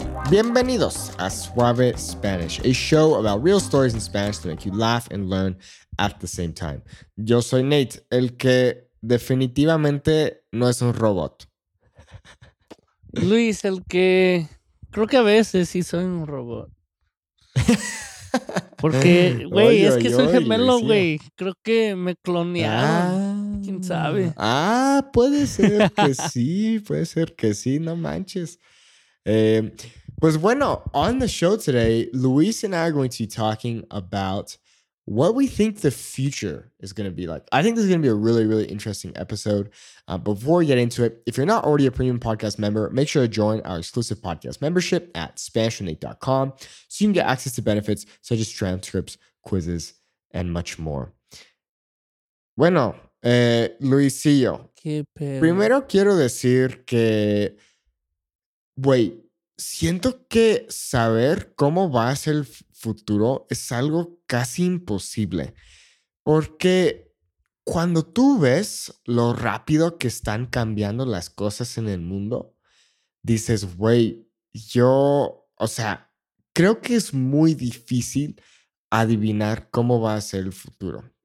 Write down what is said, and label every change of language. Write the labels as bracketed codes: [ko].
[es] Bienvenidos a [en] Suave Spanish, a show about real stories in Spanish to make you laugh and learn at the same time. [es] Yo soy Nate, el que definitivamente no es un robot. Luis, el que creo que a veces sí soy un robot. Porque, güey, es que soy gemelo, güey. Creo que me clonearon. Ah, ¿quién sabe? Ah, puede ser que sí, puede ser que sí, no manches. Pues bueno, [en] on the show today, Luis and I are going to be talking about what we think the future is going to be like. I think this is going to be a really, really interesting episode. Before we get into it, if you're not already a premium podcast member, make sure to join our exclusive podcast membership at SpanishNate.com so you can get access to benefits such as transcripts, quizzes, and much more. [es] Bueno, Luisillo. Qué pedo. Primero quiero decir que, [en] wait, [es] siento que saber cómo va a ser el futuro es algo casi imposible, porque cuando tú ves lo rápido que están cambiando las cosas en el mundo, dices, güey, yo, o sea, creo que es muy difícil adivinar cómo va a ser el futuro.